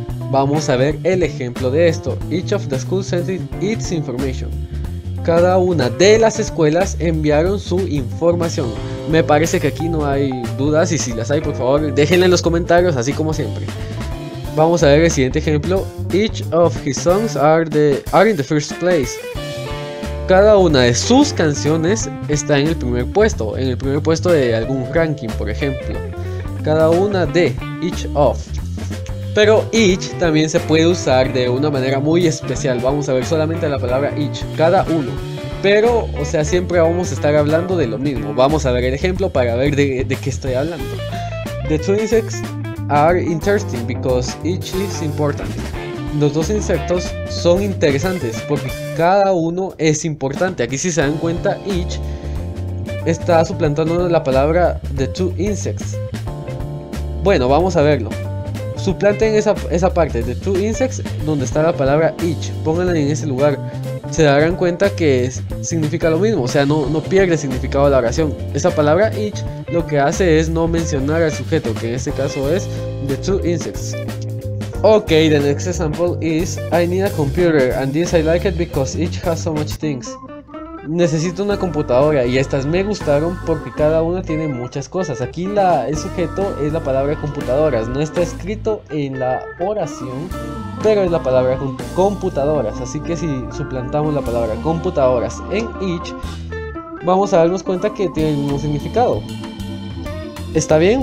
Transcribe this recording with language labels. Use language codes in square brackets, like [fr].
[es] Vamos a ver el ejemplo de esto. [en] Each of the schools sent its information. [es] Cada una de las escuelas enviaron su información. Me parece que aquí no hay dudas, y si las hay, por favor, déjenla en los comentarios, así como siempre. Vamos a ver el siguiente ejemplo. [en] Each of his songs are in the first place. [es] Cada una de sus canciones está en el primer puesto, en el primer puesto de algún ranking, por ejemplo. Cada una de, each of. Pero each también se puede usar de una manera muy especial. Vamos a ver solamente la palabra each, cada uno. Pero, o sea, siempre vamos a estar hablando de lo mismo. Vamos a ver el ejemplo para ver de qué estoy hablando. [en] The two insects are interesting because each is important. [es] Los dos insectos son interesantes porque cada uno es importante. Aquí, si se dan cuenta, each está suplantando la palabra the two insects. Bueno, vamos a verlo. Suplanten esa parte, the two insects, donde está la palabra each. Pónganla en ese lugar. Se darán cuenta que significa lo mismo, o sea, no pierde significado la oración. Esa palabra each lo que hace es no mencionar al sujeto, que en este caso es the two insects. [en] Ok, the next example is I need a computer and this I like it because each has so much things. [es] Necesito una computadora y estas me gustaron porque cada una tiene muchas cosas. Aquí el sujeto es la palabra computadoras, no está escrito en la oración, pero es la palabra computadoras. Así que si suplantamos la palabra computadoras en each, vamos a darnos cuenta que tiene el mismo significado. ¿Está bien?